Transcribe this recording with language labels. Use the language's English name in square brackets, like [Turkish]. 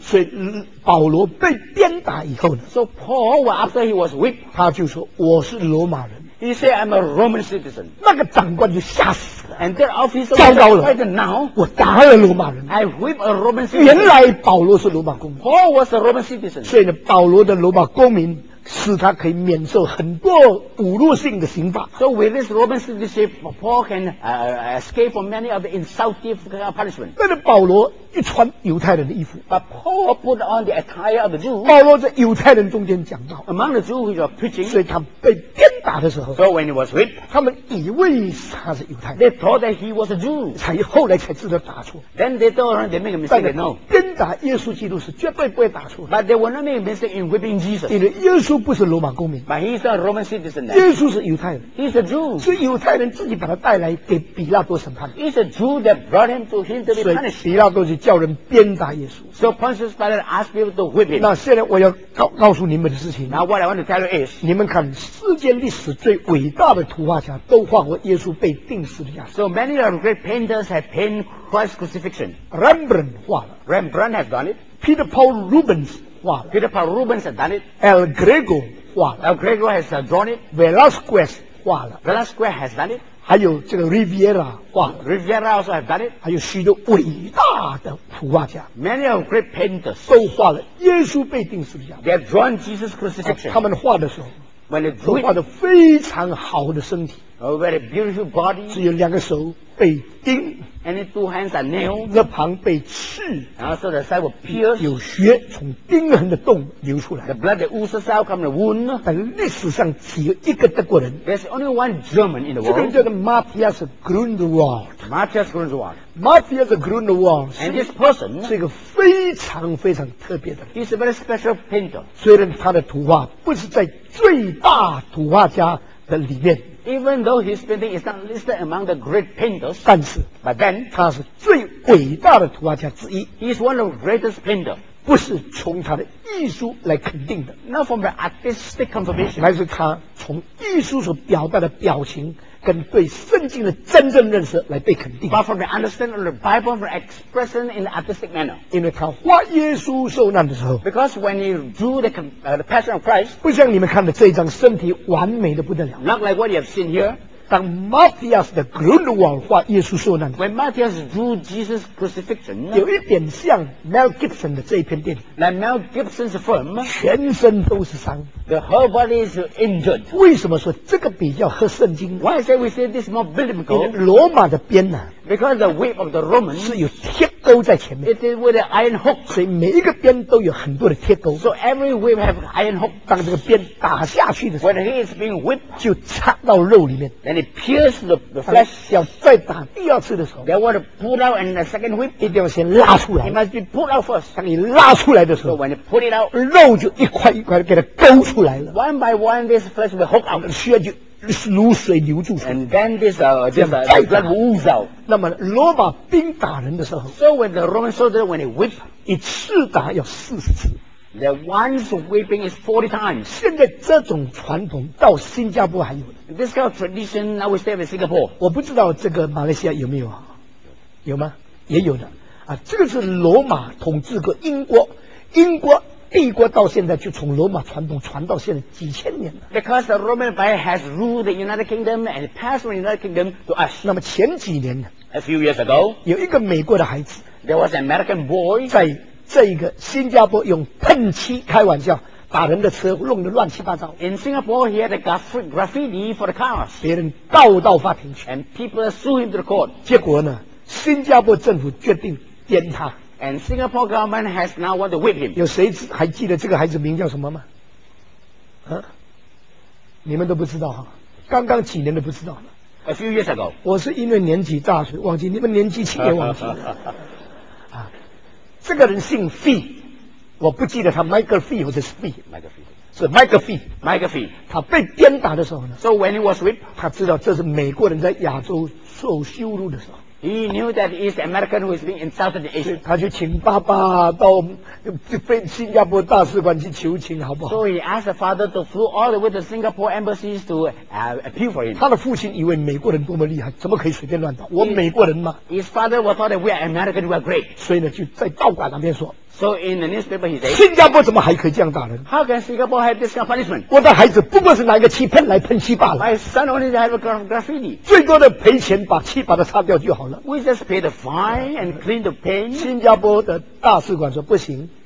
[Chinese] 所以保罗被鞭打以后呢 [English] So Paul after he was whipped [Chinese] 他就说我是罗马人 [English] He said I'm a Roman citizen [Chinese] 那个长官就吓死了 [English] And that officer [Chinese] 糟糕了 [English] Right now [Chinese] 我打了罗马人 [English] I whipped a Roman citizen [Chinese] 原来保罗是罗马公民 [English] Paul was a Roman citizen [Chinese] 所以呢保罗的罗马公民使他可以免受很多侮辱性的刑罚。 [English] So with this Roman citizenship, Paul can escape from many of the insultive punishment. [Chinese] 但是保罗一穿犹太人的衣服 [English] ，But Paul put on the attire of the Jew. [Chinese] 保罗在犹太人中间讲道 [English] ，Among the Jews who are preaching. [Chinese] 所以他被鞭打的时候 [English] ，So when he was whipped, [Chinese] 他们以为他是犹太人 [English] ，They thought that he was a Jew. [Chinese] 才后来才知道打错。 [English] Then they thought they make a mistake. No, [Chinese] 鞭打耶稣基督是绝对不会打错。 [English] But they were not making a mistake in whipping Jesus. [Chinese] 因为耶稣不是罗马公民 [English] ，But he's a Roman citizen. [Chinese] 耶稣是犹太人 [English] ，He's a Jew. [Chinese] 是犹太人自己把他带来给比拉多审判。 [English] He's a Jew that brought him to him to be punished. [Chinese] 所以比拉多就叫人鞭打耶稣。 [English] So Pontius Pilate asked people to whip him. [Chinese] 那现在我要告诉你们的事情。 [English] Now what I want to tell you is, [Chinese] 你们看世界历史最伟大的图画家都画过耶稣被钉死的样子。 [English] So many of the great painters have painted Christ's crucifixion. [Chinese] Rembrandt 画了。 [English] Rembrandt has done it. [Chinese] Peter Paul Rubens 画了。 [English] Peter Paul Rubens has done it. [Chinese] El Greco 画了。 [English] El Greco has drawn it. [Chinese] Velasquez 画了。 [English] Velasquez has done it. [Chinese] 还有这个 Riviera 画 [English] ，Riviera also have done it。 [Chinese] 还有许多伟大的图画家 [English] ，many of great painters [Chinese] 都画了耶稣被钉十字架。 [English] They have drawn Jesus crucifixion。 [Chinese] 他们画的时候 [English] ，when they drew it， [Chinese] 画的非常好的身体 [English] ，a very beautiful body。 [Chinese] 只有两个手被钉 [English] ，and the two hands are nailed。 [Chinese] 肋旁被刺， [English] 然后 so the side was pierced。 [Chinese] 有血从钉痕的洞流出来 [English] ，the blood that oozes out from the wound。 [Chinese] 但历史上只有一个德国人 [English] ，there's only one German in the world。 [Chinese] 这个叫做 Matthias Grunewald。 [English] Matthias Grunewald。 Matthias Grunewald。 And this person [Chinese] 是一个非常非常特别的人。 [English] He's a very special painter。 [Chinese] 虽然他的图画不是在最大图画家的里面。 [English] Even though his painting is not listed among the great painters, [Chinese] 但是 [English] but then, [Chinese] 他是最伟大的图画家之一。 [English] He is one of the greatest painters. [Chinese] 不是从他的艺术来肯定的。 [English] Not from the artistic confirmation. [Chinese] 乃是他从艺术所表达的表情跟对圣经的真正认识来被肯定。 [English] But from the understanding of the Bible for expression in an artistic manner. [Chinese] 因为他画耶稣受难的时候 [English] Because when he drew the passion of Christ, [Chinese] 不像你们看的这一张身体完美的不得了。 [English] Not like what you have seen here. [Chinese] 当 Matthias the Grunewald 画耶稣受难 [English] When Matthias drew Jesus' crucifixion, [Chinese] 有一点像 Mel Gibson 的这一篇电影。 [English] Like Mel Gibson's film, [Chinese] 全身都是伤。 [English] The whole body is injured. [Chinese] 为什么说这个比较合圣经？ [English] Why say we say this more biblical? [Chinese] 罗马的鞭呢？ [English] Because the whip of the Romans [Chinese] 是有铁钩在前面。 [English] It is with an iron hook. [Chinese] 所以每一个鞭都有很多的铁钩。 [English] So every whip have iron hook. [Chinese] 当这个鞭打下去的时候 [English] ，When he is being whipped, [Chinese] 就插到肉里面。 [English] Then it pierces the flesh. [Chinese] 要再打第二次的时候 [English] ，They want to pull out and the second whip. [Chinese] 一定要先拉出来。 [English] It must be pulled out first. [Chinese] 当你拉出来的时候 [English] ，So when you pull it out, [Chinese] 肉就一块一块的给它勾出来。 [English] One by one, this flesh will hook out. [Chinese] 血就如水流出去。 [English] And then this blood will ooze out. [Chinese] 那么罗马兵打人的时候 [English] ，So when the Roman soldier when he whip, [Chinese] 一次打要40次。 [English] The one's whipping is 40 times. [Chinese] 现在这种传统到新加坡还有。 [English] This kind of tradition now we still have in Singapore. [Chinese] 我不知道这个马来西亚有没有，有吗？也有的。啊，这个是罗马统治过英国，英国。帝国到现在就从罗马传统传到现在几千年了。 [English] Because the Roman Empire has ruled the United Kingdom and passed from the United Kingdom to us. [Chinese] 那么前几年呢 [English] ？A few years ago, [Chinese] 有一个美国的孩子 [English] ，There was an American boy [Chinese] 在这个新加坡用喷漆开玩笑，把人的车弄得乱七八糟。 [English] In Singapore, he had a graffiti for the cars. [Chinese] 别人告到法庭去 [English] ，and people sued him to the court. [Chinese] 结果呢，新加坡政府决定鞭他。 [English] And Singapore government has now want to whip him. [Chinese] 有谁还记得这个孩子名叫什么吗？啊，你们都不知道哈，刚刚几年都不知道了。 [English] A few years ago. [Chinese] 我是因为年纪大所以忘记，你们年纪轻也忘记了。啊，这个人姓费，我不记得他 Michael Fee 或者是 Fee。 [English] Michael Fee。 [Chinese] 是 Michael Fee。 [English] Michael Fee。 [Chinese] 他被鞭打的时候呢 [English] ？So when he was whipped, [Chinese] 他知道这是美国人在亚洲受羞辱的时候。 [English] He knew that he is American who is being insulted in Asia. [Chinese] 他就请爸爸到新加坡大使馆去求情，好不好 [English] ？So he asked the father to flew all the way to Singapore embassies to appeal for him. [Chinese] 他的父亲以为美国人多么厉害，怎么可以随便乱打？我美国人吗 [English] ？His father was thought that we are American, we are great. [Chinese] 所以呢，就在道馆那边说。 [English] So in the newspaper, he said, [Chinese] 新加坡怎么还可以这样打人 [English] ？How can Singapore have this kind of punishment? [Chinese] 我的孩子不过是拿一个漆喷来喷漆罢了。 [English] My son only have a graffiti. [Chinese] 最多的赔钱把漆把它擦掉就好了。 [English] We just pay the fine and clean the paint. [Chinese] 新加坡的大使馆说不行。